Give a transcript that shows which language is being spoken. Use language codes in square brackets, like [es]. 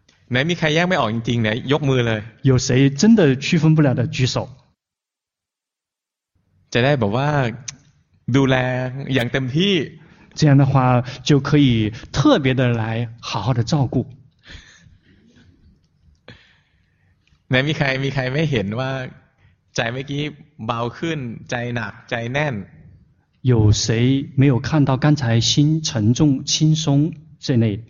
[th] ไหนมีใครแยกไม่ออกจริงๆไหนยกมือเลย [zh] 有谁真的区分不了的举手 [th] จะได้บอกว่าดูแลอย่างเต็มที่ [zh] 这样的话就可以特别的来好好的照顾 [th] ไหนมีใครไม่เห็นว่าใจเมื่อกี้เบาขึ้นใจหนักใจแน่น [zh] 有谁没有看到刚才心沉重轻松这类